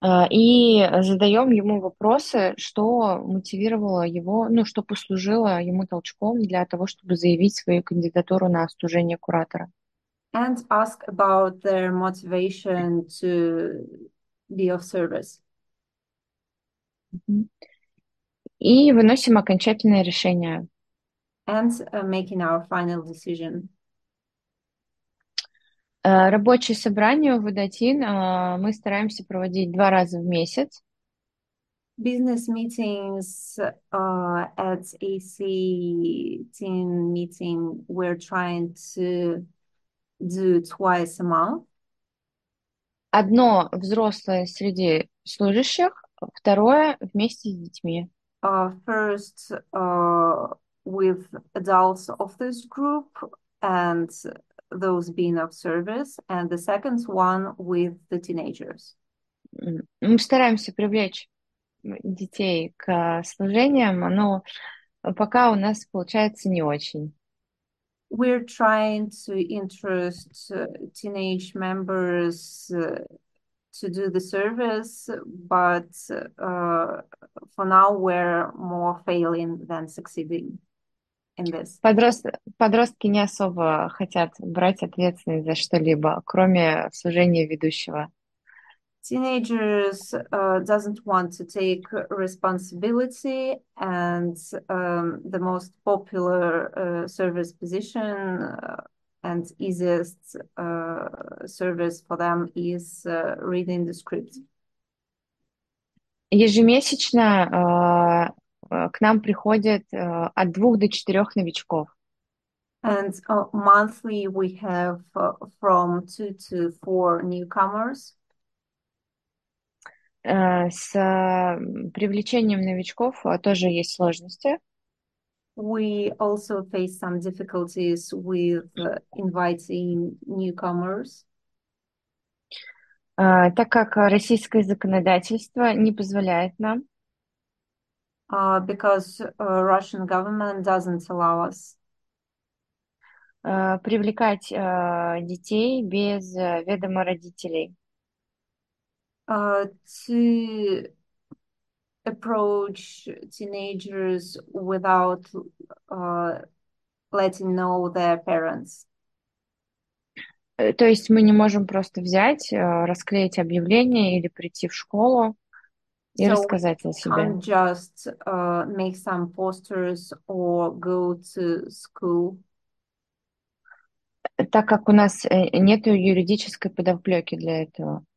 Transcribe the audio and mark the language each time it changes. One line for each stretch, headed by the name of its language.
Russian: И задаем ему вопросы, что мотивировало его, ну, что послужило ему толчком для того, чтобы заявить свою кандидатуру на служение куратора.
English: And ask about their motivation to be of service.
Russian: И выносим окончательное решение.
English: And making our final decision.
Russian: Рабочее собрание в Водотин мы стараемся проводить 2 раза в месяц.
English: Business meetings at AC team meeting, we're trying to do twice a month.
Russian: Одно взрослое среди служащих, второе вместе с детьми.
English: First with adults of this group and those being of service, and the second one with the teenagers.
Russian: Мы стараемся привлечь детей к служениям, но пока у нас получается не очень.
English: We're trying to interest teenage members to do the service, but for now we're more failing than succeeding in this.
Russian: Подростки не особо хотят брать ответственность за что-либо, кроме служения ведущего.
English: Teenagers doesn't want to take responsibility, and the most popular service position and easiest service for them is reading the script.
Russian: Ежемесячно к нам приходит от 2 до 4 новичков.
English: And monthly we have from 2 to 4 newcomers.
Russian: С привлечением новичков тоже есть сложности.
English: We also face some difficulties with inviting newcomers.
Russian: Так как российское законодательство не позволяет нам
English: Because Russian government doesn't allow us.
Russian: привлекать детей без ведома родителей.
English: To approach teenagers without letting know their parents.
Russian: То есть мы не можем просто взять, расклеить объявление или прийти в школу и
English: So we
Russian: рассказать о себе.
English: can't just make some posters or go to school.
Russian: Так как у нас нет юридической подоплеки для этого.